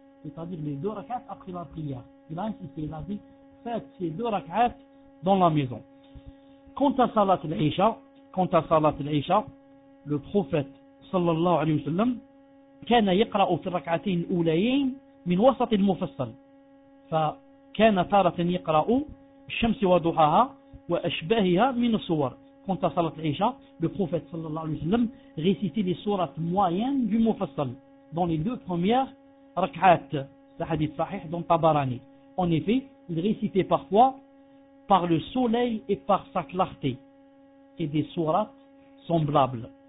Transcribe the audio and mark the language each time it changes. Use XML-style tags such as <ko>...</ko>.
<fr>C'est-à-dire les deux rak'at après la prière. Il a insisté, il a dit, faites ces deux rak'at dans la maison. Quant à Salat al-Isha, le prophète, sallallahu alayhi wa sallam,</fr> <ar>كان يقرأ في الركعتين الأوليين من وسط المفصل. فكان تارة يقرأ الشمس وضحاها وأشباهها من الصور.</ar> <fr>Quant à Salat al-Isha, le prophète sallallahu alayhi wa sallam récitait les sourates moyennes du Mufassal dans les deux premières rak'at, le hadith sahih dans Tabarani. En effet, il récitait parfois par le soleil et par sa clarté et des sourates semblables.</fr>